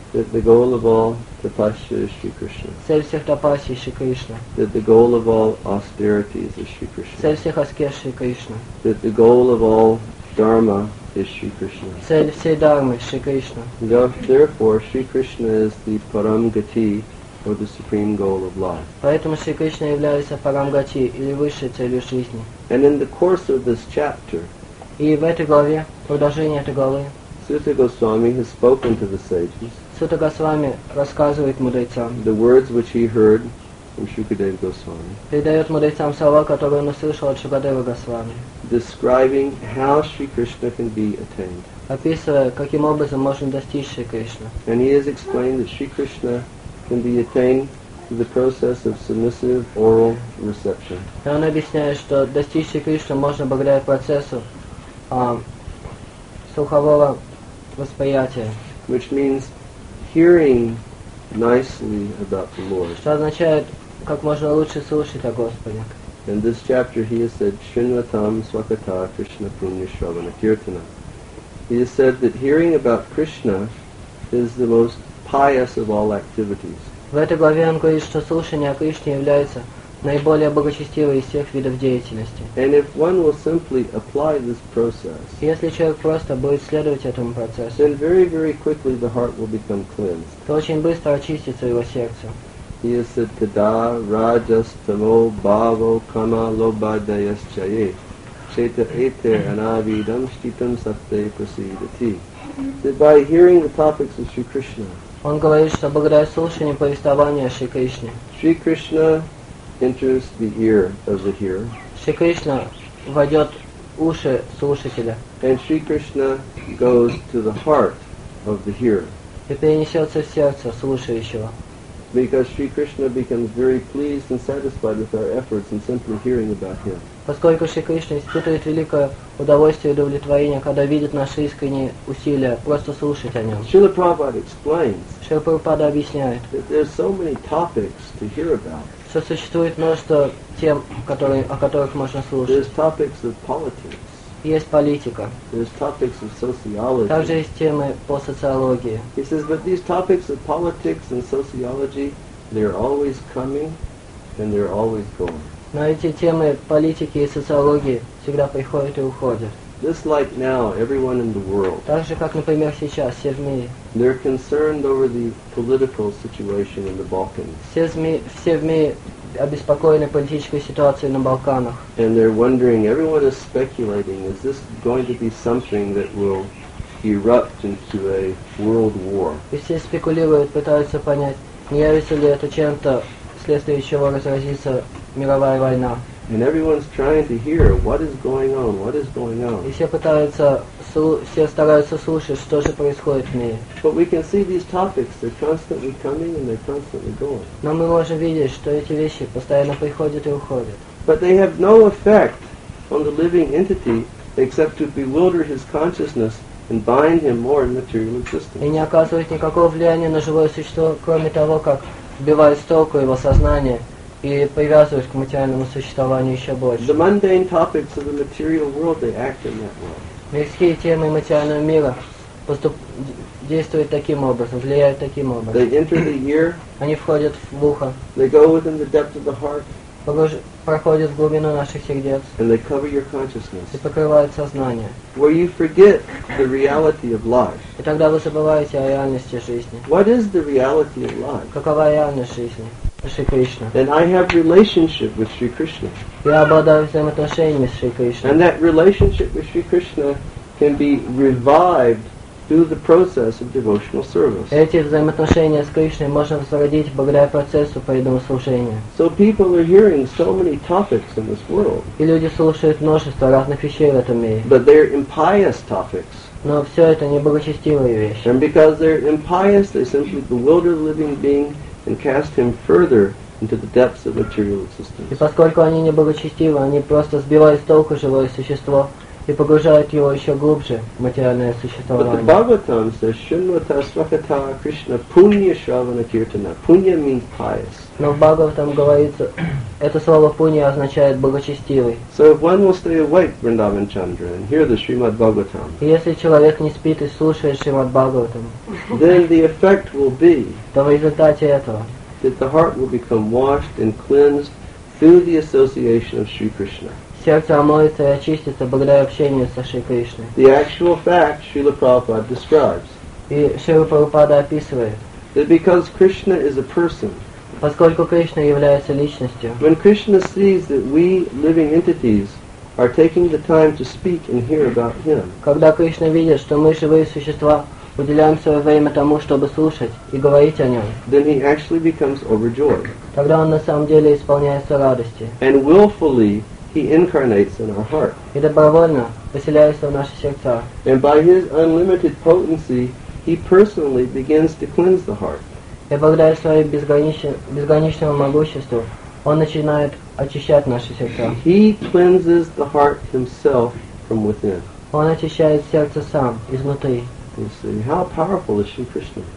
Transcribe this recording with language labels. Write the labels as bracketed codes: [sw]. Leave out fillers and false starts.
[en] That the goal of all tapasya is Shri Krishna. [ru] Цель всех тапасий – Шри Кришна. [en] That the goal of all austerity is Shri Krishna. [ru] Цель всех аскез – Шри Кришна. [en] That the goal of all dharma is Shri Krishna. [ru] Цель всей дхармы – Шри Кришна. [en] Therefore, Shri Krishna is the param gati or the supreme goal of life. [ru] Поэтому Шри Кришна является парамгати или высшей целью жизни. [en] And in the course of this chapter, [ru] и в этой главе, продолжение этой главы, [en] Sutta Goswami has spoken to the sages. [ru] Сута Госвами рассказывает мудрецам. [en] The words which he heard from Shukadeva Goswami. [ru] Передает мудрецам слова, которые он услышал от Шукадева Госвами. [en] Describing how Shri Krishna can be attained. [ru] Описывая, каким образом можно достичь Шри Кришны. [en] And he has explained that Shri Krishna can be attained through the process of submissive oral reception. [ru] И он объясняет, что достичь Шри Кришны можно благодаря процессу слухового восприятия. [en] Which means hearing nicely about the Lord. [ru] Что означает, как можно лучше слушать о Господе. [en] In this chapter he has said, [sa] Shrinvatam Swakata Krishna Punya Shravana Kirtana. [en] He has said that hearing about Krishna is the most pious of all activities. [ru] В этой главе он говорит, что слушание о Кришне является наиболее благочестивой из всех видов деятельности. [en] And if one will simply apply this process, [ru] если человек просто будет следовать этому процессу, [en] then very, very quickly the heart will become cleansed. [ru] То очень быстро очистится его сердце. [en] He has said, [sa] Tada rajas tamo bhavo kama lobhadayas chaye cheta ete anavidam shtitam satte prasidati. [en] By hearing the topics of Shri Krishna, [ru] он говорит, что благодаря слушанию повествования о Шри Кришне, [en] Shri Krishna enters the ear of the hearer. [ru] Шри Кришна войдет в уши слушателя. [en] And Shri Krishna goes to the heart of the hearer. [ru] И перенесется в сердце слушающего. [en] Because Shri Krishna becomes very pleased and satisfied with our efforts in simply hearing about him. [ru] Поскольку Шри Кришна испытывает великое удовольствие и удовлетворение, когда видит наши искренние усилия просто слушать о нем. [en] Srila Prabhupada explains. [ru] Шрила Прабхупада объясняет. [en] That there's so many topics to hear about. [ru] Что существует множество тем, о которых можно слушать. [en] There's topics of politics. [ru] Есть политика. [en] There's topics of sociology. [ru] Также есть темы по социологии. [en] He says, but these topics of politics and sociology, they're always coming and they're always going. [ru] Но эти темы политики и социологии всегда приходят и уходят. [en] Just like now, everyone in the world, [ru] так же, как, например, сейчас, все в мире, [en] they're concerned over the political situation in the Balkans. [ru] Все в мире обеспокоены политической ситуацией на Балканах. [en] And they're wondering, everyone is speculating, is this going to be something that will erupt into a world war? [ru] И все спекулируют, пытаются понять, не явится ли это чем-то, вследствие чего разразится мировая война. [en] And everyone's trying to hear what is going on, what is going on. [ru] И все пытаются, все стараются слушать, что же происходит в мире. [en] But we can see these topics, they're constantly coming and they're constantly going. [ru] Но мы можем видеть, что эти вещи постоянно приходят и уходят. [en] But they have no effect on the living entity except to bewilder his consciousness and bind him more in material existence. [ru] И не оказывают никакого влияния на живое существо, кроме того, как вбивают с толку его сознание и привязываясь к материальному существованию еще больше. [en] The mundane topics of the material world, they act in that way. [ru] Мирские темы материального мира действуют таким образом, влияют таким образом. [en] They enter the ear. [ru] Они входят в ухо. [en] They go within the depth of the heart. [ru] Проходят в глубину наших сердец. [en] And they cover your consciousness. [ru] И покрывают сознание. [en] Where you forget the reality of life. [ru] И тогда вы забываете о реальности жизни. [en] What is the reality of life? [ru] Какова реальность жизни? Шри Кришна. [en] And I have relationship with Shri Krishna. [ru] Я обладаю взаимоотношениями с Шри Кришной. [en] And that relationship with Shri Krishna can be revived through the process of devotional service. [ru] Эти взаимоотношения с Кришной можно возродить благодаря процессу преданного служения. [en] So people are hearing so many topics in this world. [ru] И люди слушают множество разных вещей в этом мире. [en] But they're impious topics. [ru] Но все это неблагочестивые вещи. [en] And because they're impious, they simply bewilder the living being and cast him further into the depths of material existence. [ru] И поскольку они неблагочестивы, они просто сбивают с толку живое существо и погружают его еще глубже в материальное существование. [en] But the Bhagavatam says, [sa] Shunvata Svakata Krishna Punya Shravana Kirtana. [en] Punya means pious. [ru] Но в Бхагаватам говорится, это слово пунья означает благочестивый. [en] So if one will stay awake, Vrindavan Chandra, and hear the Srimad Bhagavatam, [ru] если человек не спит и слушает Шримад Бхагаватам, [en] then the effect will be, [ru] то в результате этого, [en] that the heart will become washed and cleansed through the association of Shri Krishna. [ru] Сердце омоется и очистится благодаря общению со Шри Кришной. [en] The actual fact Srila Prabhupada describes. [ru] И Шрила Прабхупада описывает. [en] That because Krishna is a person. [ru] Поскольку Кришна является личностью. [en] When Krishna sees that we living entities are taking the time to speak and hear about Him. [ru] Когда Кришна видит, что мы живые существа уделяем свое время тому, чтобы слушать и говорить о нем. [en] Then he actually becomes overjoyed. [ru] Тогда он на самом деле исполняется радости. [en] And willfully He incarnates in our heart. [ru] И добровольно поселяется в наши сердца. [en] And by his unlimited potency, he personally begins to cleanse the heart. [ru] И благодаря своему безграничному могуществу, он начинает очищать наши сердца. [en] He cleanses the heart himself from within. [ru] Он очищает сердце сам, изнутри. [en] You see, how powerful is Shri Krishna?